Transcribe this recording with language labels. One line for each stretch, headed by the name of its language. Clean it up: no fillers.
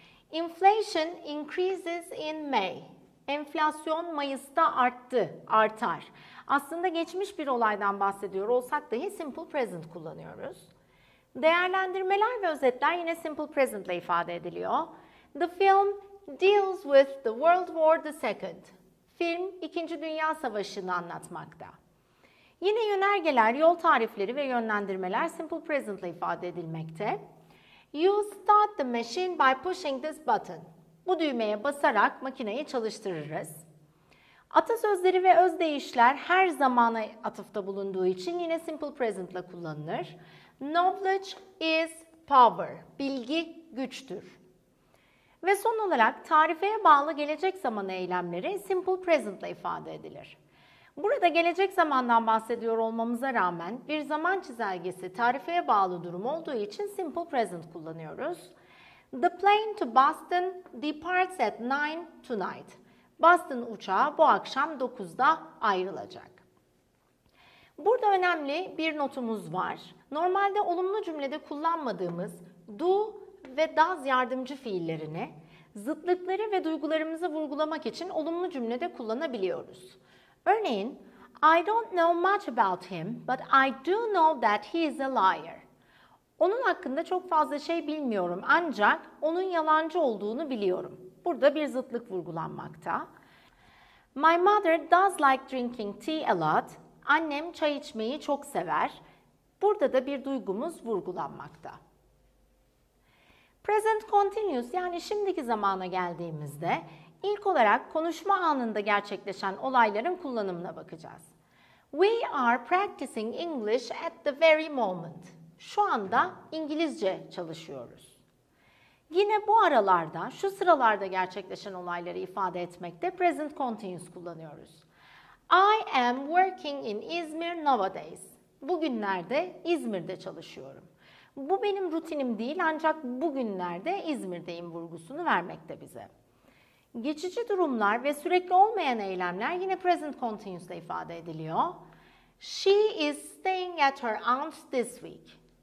English: Inflation increases in May.
Turkish: Enflasyon Mayıs'ta arttı, artar. Aslında geçmiş bir olaydan bahsediyor olsak dahi simple present kullanıyoruz. Değerlendirmeler ve özetler yine simple present ile ifade ediliyor.
English: The film deals with the World War II.
Turkish: Film İkinci Dünya Savaşı'nı anlatmakta. Yine yönergeler, yol tarifleri ve yönlendirmeler simple present ile ifade edilmekte.
English: You start the machine by pushing this button.
Turkish: Bu düğmeye basarak makineyi çalıştırırız. Atasözleri ve özdeyişler her zamana atıfta bulunduğu için yine simple present ile kullanılır.
English: Knowledge is power.
Turkish: Bilgi güçtür. Ve son olarak tarifeye bağlı gelecek zaman eylemleri simple present ile ifade edilir. Burada gelecek zamandan bahsediyor olmamıza rağmen bir zaman çizelgesi tarifeye bağlı durum olduğu için simple present kullanıyoruz.
English: The plane to Boston departs at 9 tonight.
Turkish: Boston uçağı bu akşam 9'da ayrılacak. Burada önemli bir notumuz var. Normalde olumlu cümlede kullanmadığımız do ve does yardımcı fiillerini zıtlıkları ve duygularımızı vurgulamak için olumlu cümlede kullanabiliyoruz.
English: Örneğin, I don't know much about him, but I do know that he is a liar.
Turkish: Onun hakkında çok fazla şey bilmiyorum ancak onun yalancı olduğunu biliyorum. Burada bir zıtlık vurgulanmakta.
English: My mother does like drinking tea a lot.
Turkish: Annem çay içmeyi çok sever. Burada da bir duygumuz vurgulanmakta. Present continuous yani şimdiki zamana geldiğimizde İlk olarak konuşma anında gerçekleşen olayların kullanımına bakacağız.
English: We are practicing English at the very moment.
Turkish: Şu anda İngilizce çalışıyoruz. Yine bu aralarda, şu sıralarda gerçekleşen olayları ifade etmekte present continuous kullanıyoruz.
English: I am working in İzmir nowadays.
Turkish: Bugünlerde İzmir'de çalışıyorum. Bu benim rutinim değil ancak bugünlerde İzmir'deyim vurgusunu vermekte bize. Geçici durumlar ve sürekli olmayan eylemler yine present continuous ile ifade ediliyor.
English: She is staying at her aunt's this week.